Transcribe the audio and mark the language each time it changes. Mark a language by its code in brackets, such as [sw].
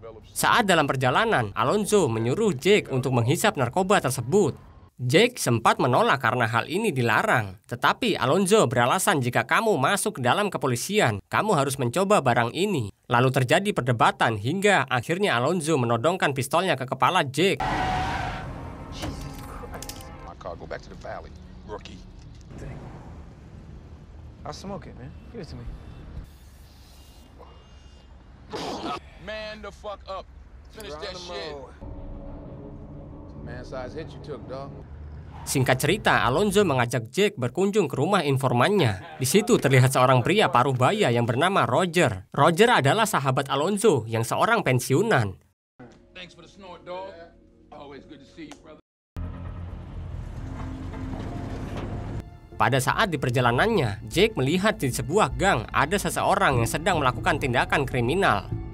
[id] Saat dalam perjalanan, Alonzo menyuruh Jake untuk menghisap narkoba tersebut. Jake sempat menolak karena hal ini dilarang. Tetapi Alonzo beralasan jika kamu masuk ke dalam kepolisian, kamu harus mencoba barang ini. Lalu terjadi perdebatan hingga akhirnya Alonzo menodongkan pistolnya ke kepala Jake. [en] My car, go back to the valley, rookie. I'll smoke it, man. Give it to me. Man the fuck up. Finish that shit. Man size hit you took, dog. [id] Singkat cerita, Alonzo mengajak Jack berkunjung ke rumah informannya. Di situ terlihat seorang pria paruh baya yang bernama Roger. Roger adalah sahabat Alonzo yang seorang pensiunan. [en] Thanks for the snort, dog. Always good to see you, brother. [id] Pada saat di perjalanannya, Jake melihat di sebuah gang ada seseorang yang sedang melakukan tindakan kriminal.